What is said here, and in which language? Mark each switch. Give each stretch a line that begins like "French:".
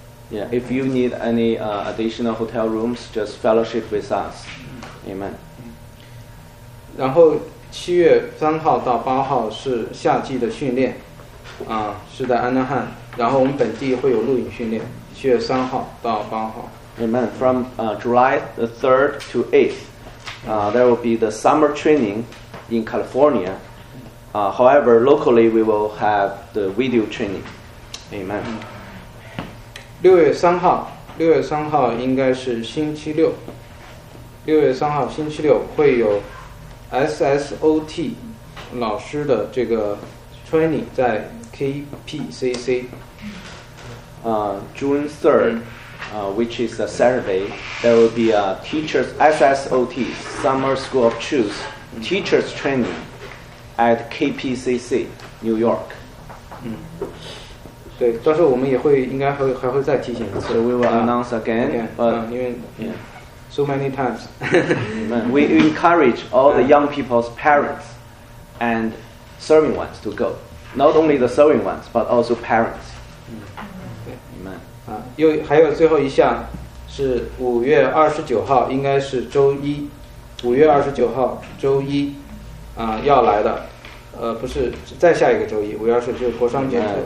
English: Yeah, if you need any additional hotel rooms, just fellowship with us. Amen.
Chinese: 然后7月3号到8号是夏季的训练，是在安娜汉。然后我们本地会有露营训练，7月3号到8号。
English: Amen. From July 3rd to 8th, there will be the summer training in California. However, locally we will have the video training. Amen.
Chinese: 6月3号应该是星期六。 6月3号星期六会有 SSOT 老师的这个 training 在 KPCC。
English: June 3rd, which is a Saturday, there will be a teachers SSOT Summer School of Truth teachers training at KPCC, New York.
Chinese: 对，到时候我们也会应该还会再提醒一次。
English: So we will announce again, but so many times. We encourage all the young people's parents and serving ones to go. Not only the serving ones, but also parents.
Chinese: 们啊，又还有最后一项是5月29号，应该是周一，5月29号周一啊要来的，不是再下一个周一，5月29就是国商节